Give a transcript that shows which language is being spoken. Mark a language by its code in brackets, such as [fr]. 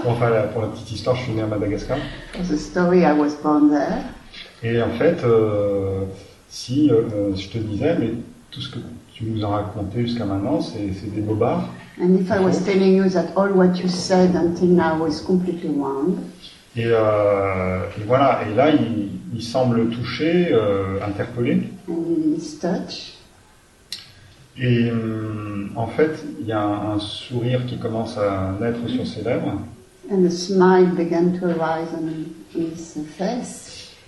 [fr] Enfin, pour la petite histoire, je suis né à Madagascar. [en] For the story, I was born there. [fr] Et en fait, si je te disais, mais tout ce que tu nous as raconté jusqu'à maintenant, c'est des bobards. [en] And if I was telling you that all what you said until now was completely wrong. [fr] Et voilà, et là, il semble touché, interpellé. [en] And he's touched. [fr] Et en fait, il y a un sourire qui commence à naître sur ses lèvres. [en] And a smile began to arise on his face.